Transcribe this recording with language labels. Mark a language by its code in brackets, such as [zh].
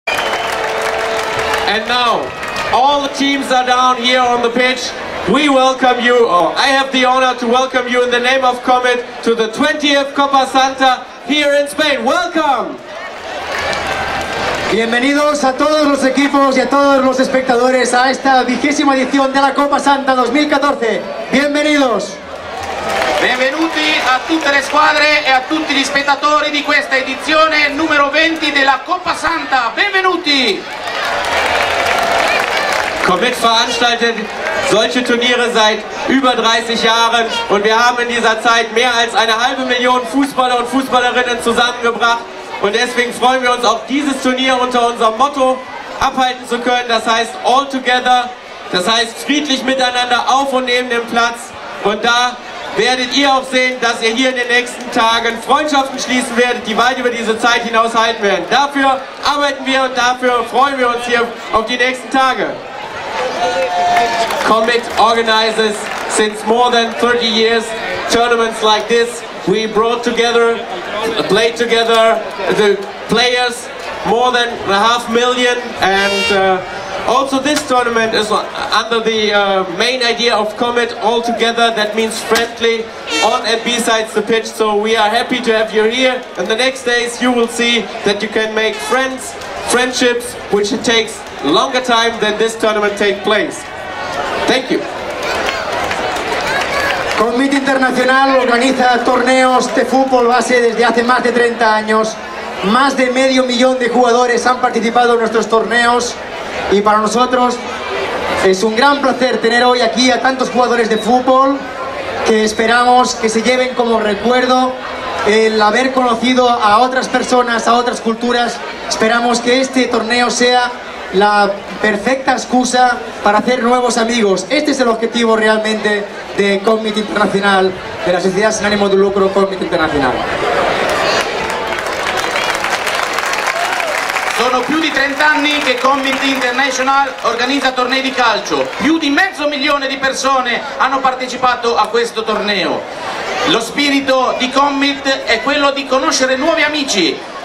[en] And now, all the teams are down here on the pitch. We welcome you, or I have the honor to welcome you in the name of Comet to the 20th Copa Santa here in Spain. Welcome! [es] Bienvenidos a todos los equipos y a todos los espectadores a esta vigésima edición de la Copa Santa 2014. Bienvenidos. [it] Bienvenuti a tutte le squadre e a tutti gli spettatori di questa edizione numero 20 della Copa Santa. Benvenuti. [de] Comet veranstaltet solche Turniere seit über 30 Jahren und wir haben in dieser Zeit mehr als eine halbe Million Fußballer und Fußballerinnen zusammengebracht. Und deswegen freuen wir uns, auch dieses Turnier unter unserem Motto abhalten zu können. Das heißt All Together, das heißt friedlich miteinander auf und neben dem Platz. Und da werdet ihr auch sehen, dass ihr hier in den nächsten Tagen Freundschaften schließen werdet, die weit über diese Zeit hinaus halten werden. Dafür arbeiten wir und dafür freuen wir uns hier auf die nächsten Tage. [en] Comet organizes since more than 30 years tournaments like this. We brought together, played together, the players, more than a half million, and also this tournament is under the main idea of Comet, all together, that means friendly, on and besides the pitch, so we are happy to have you here, and the next days you will see that you can make friends, friendships, which it takes longer time than this tournament take place. Thank you. [es] Comet Internacional organiza torneos de fútbol base desde hace más de 30 años. Más de medio millón de jugadores han participado en nuestros torneos y para nosotros es un gran placer tener hoy aquí a tantos jugadores de fútbol que esperamos que se lleven como recuerdo el haber conocido a otras personas, a otras culturas. Esperamos que este torneo sea la perfecta excusa para hacer nuevos amigos. Este es el objetivo realmente de Comet Internacional, de la sociedad sin ánimo de lucro Comet Internacional. [it] Sono più di 30 anni che Comet International organizza tornei di calcio. Più di mezzo milione di persone hanno partecipato a questo torneo. Lo spirito di Comet è quello di conoscere nuovi amici.